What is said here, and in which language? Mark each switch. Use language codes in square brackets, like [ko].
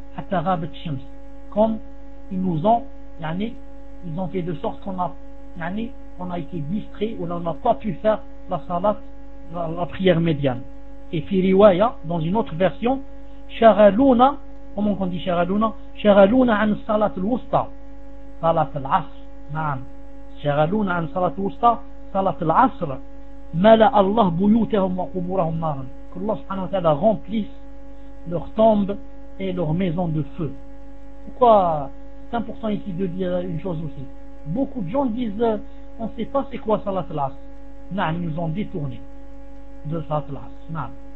[fr] Comme ils nous ont, ils ont fait de sorte qu'on a été distrait ou on n'a pas pu faire la salat, la prière médiane. Et fi riwaya, dans une autre version, sharaluna, comment on dit sharaluna? [ar] Sharaluna an salat al-wusta, salat al-asr, naam. شغلون عن صلاة الوسطى صلاة العصر ملأ الله بيوتهم وقبورهم نارا. الله سبحانه وتعالى [fr] remplisse leurs tombes et leurs maisons de feu. Pourquoi c'est important ici de dire une chose aussi? Beaucoup de gens disent on ne sait pas c'est quoi صلاة العصر. Non, ils nous ont détourné de صلاة العصر. Non.